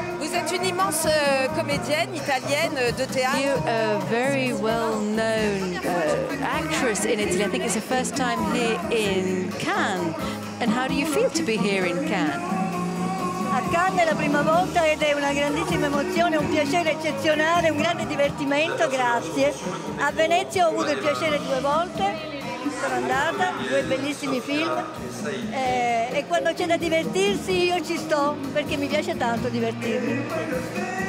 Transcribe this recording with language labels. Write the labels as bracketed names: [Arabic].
[French] Vous êtes une immense comédienne italienne de théâtre. [English] You're a very well-known actress in Italy. I think it's the first time here in Cannes. And how do you feel to be here in Cannes? [Italian] A Cannes è la prima volta ed è una grandissima emozione, un piacere eccezionale, un grande divertimento, grazie. A Venezia ho avuto il piacere due volte, sono andata, due bellissimi film e quando c'è da divertirsi io ci sto perché mi piace tanto divertirmi.